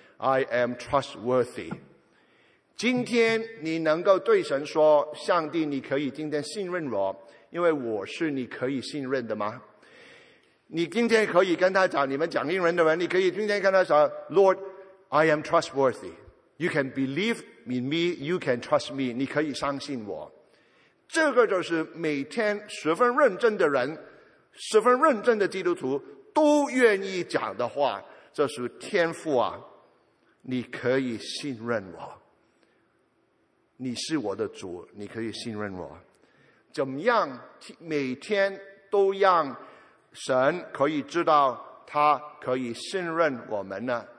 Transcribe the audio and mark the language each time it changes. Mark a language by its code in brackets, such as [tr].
[en] I am trustworthy。 [zh] 今天你能够对神说，上帝，你可以今天信任我，因为我是你可以信任的吗？你今天可以跟他讲，你们讲英文的人，你可以今天跟他说， [en] Lord, I am trustworthy. You can believe in me, you can trust me. [zh] 你可以相信我。这个就是每天十分认真的人，十分认真的基督徒都愿意讲的话，这是天父啊，你可以信任我。你是我的主，你可以信任我。怎么样每天都让神可以知道他可以信任我们呢？